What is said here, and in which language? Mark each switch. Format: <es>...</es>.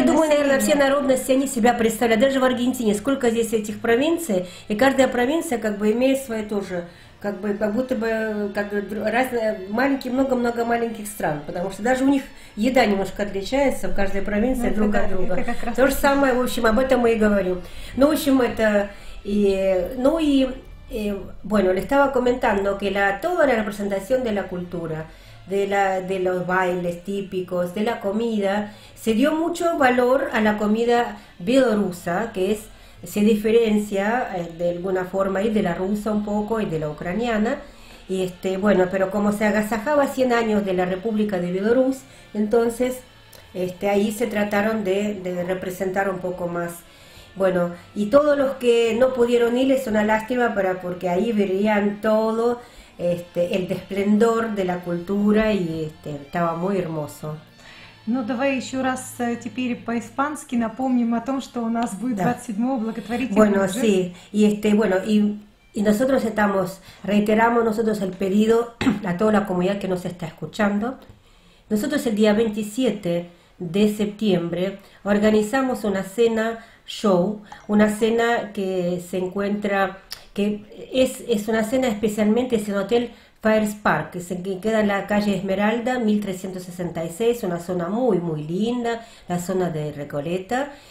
<ru>Я думаю, наверное, все народности, они себя представляют. Даже в Аргентине, сколько здесь этих провинций, и каждая провинция как бы имеет свое тоже, как бы, как будто бы, как бы, разные, маленькие, много-много маленьких стран, потому что даже у них еда немножко отличается в каждой провинции, ну, друг это, от друга. Это как раз то же самое, в общем, об этом мы и говорим. Ну, в общем, это, и, ну и, и,</ru> <es>bueno, le estaba comentando que la, toda la representación de la cultura, de los bailes típicos, de la comida, se dio mucho valor a la comida bielorrusa, que es, se diferencia de alguna forma y de la rusa un poco y de la ucraniana. Y este, bueno, pero como se agasajaba 100 años de la República de Belarus, entonces este, ahí se trataron de representar un poco más. Bueno, y todos los que no pudieron ir es una lástima para, porque ahí verían todo este, el esplendor de la cultura y este, estaba muy hermoso.</es> <ru>Ну, давай еще раз теперь по-испански напомним о том, что у нас будет 27-го благотворительного.</ru> <es>Bueno, sí. Y este, bueno, y nosotros estamos, reiteramos nosotros el pedido a toda la comunidad que nos está escuchando. Nosotros el día 27 de septiembre organizamos una cena show, una cena que se encuentra, que es una cena especialmente, es el hotel Fires Park, que queda en la calle Esmeralda, 1366, una zona muy, muy linda, la zona de Recoleta.</es>